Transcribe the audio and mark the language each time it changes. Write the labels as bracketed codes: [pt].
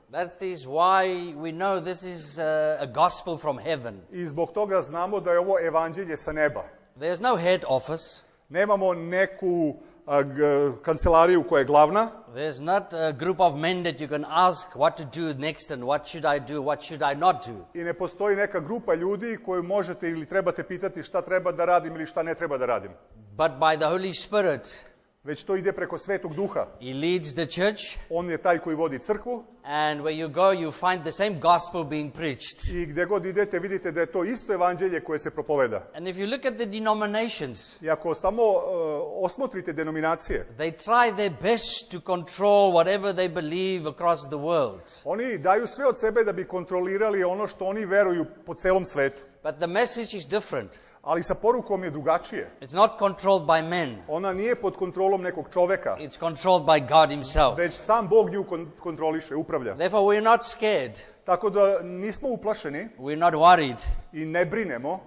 [en] That is why we know this is a gospel from heaven. [sr] I zbog toga znamo da je ovo evanđelje sa neba. [en] There's no head office. [sr] Nemamo neku kancelariju koja je glavna. [en] There's not a group of men that you can ask what to do next and what should I do, what should I not do. [sr] I ne postoji neka grupa ljudi koju možete ili trebate pitati šta treba da radim ili šta ne treba da radim. [en] But by the Holy Spirit. [sr] Već to ide preko Svetog Duha. [en] He leads the church. [sr] On je taj koji vodi crkvu. [en] And where you go, you find the same gospel being preached. [sr] I gde god idete, vidite da je to isto evanđelje koje se propoveda. [en] And if you look at the denominations. [sr] I ako samo osmotrite denominacije. [en] They try their best to control whatever they believe across the world. [sr] Oni daju sve od sebe da bi kontrolirali ono što oni veruju po celom svetu. [en] But the message is different. [sr] Ali sa porukom je drugačije. [en] It's not controlled by men. [sr] Ona nije pod kontrolom nekog čovjeka. [en] It's controlled by God himself. [sr] Već sam Bog nju kontroliše, upravlja. [en] Therefore we're not scared. [sr] Tako da nismo uplašeni. [en] We're not worried. [sr] I ne brinemo.